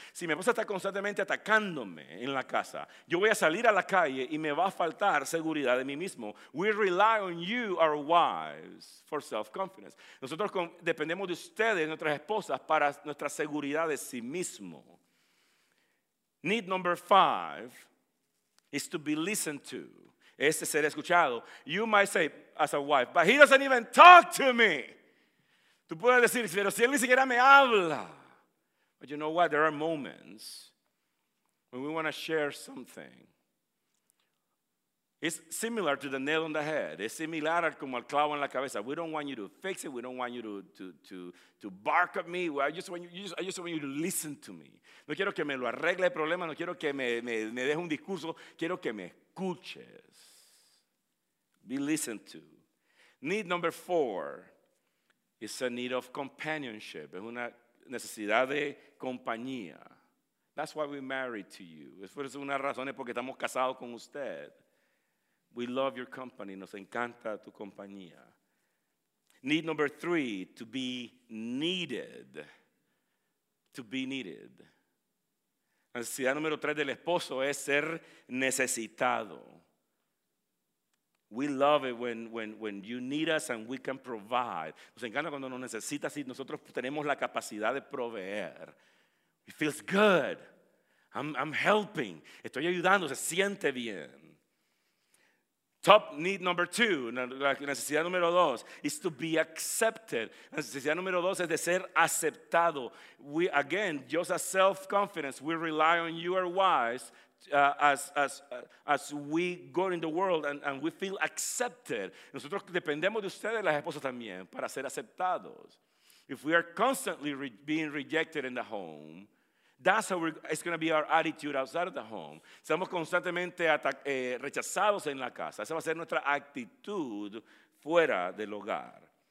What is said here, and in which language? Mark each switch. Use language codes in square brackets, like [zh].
[es] Si mi esposa está constantemente atacándome en la casa, yo voy a salir a la calle y me va a faltar seguridad de mí mismo. [en] We rely on you, our wives, for self-confidence. [es] Nosotros dependemos de ustedes, nuestras esposas, para nuestra seguridad de sí mismo. [en] Need number five is to be listened to. [es] Este ser escuchado. [en] You might say, as a wife, but he doesn't even talk to me. [es] Tú puedes decir, pero si él ni siquiera me habla. [en] But you know what? There are moments when we want to share something. It's similar to the nail on the head. [es] Es similar como al clavo en la cabeza. [en] We don't want you to fix it. We don't want you to bark at me. I just want you to listen to me. [es] No quiero que me lo arregle el problema. No quiero que me deje un discurso. Quiero que me escuches. [en] Be listened to. Need number four is a need of companionship. [es] Es una necesidad de compañía. [en] That's why we're married to you. [es] Es por eso una razón es porque estamos casados con usted. [en] We love your company. [es] Nos encanta tu compañía. [en] Need number three, to be needed. To be needed. [es] La necesidad número tres del esposo es ser necesitado. [en] We love it when you need us and we can provide. [es] Nos encanta cuando nos necesitas y nosotros tenemos la capacidad de proveer. [en] It feels good. I'm helping. [es] Estoy ayudando. Se siente bien. [en] Top need number two, [es] la necesidad número dos, [en] is to be accepted. [es] La necesidad número dos es de ser aceptado. [en] We, again, just as self-confidence, we rely on you, our wives, as we go in the world and we feel accepted. [es] Nosotros dependemos de ustedes, las esposas también, para ser aceptados. [en] If we are constantly being rejected in the home, that's how it's going to be our attitude outside of the home. [es] Estamos constantemente rechazados en la casa. Esa va a ser nuestra actitud fuera del hogar.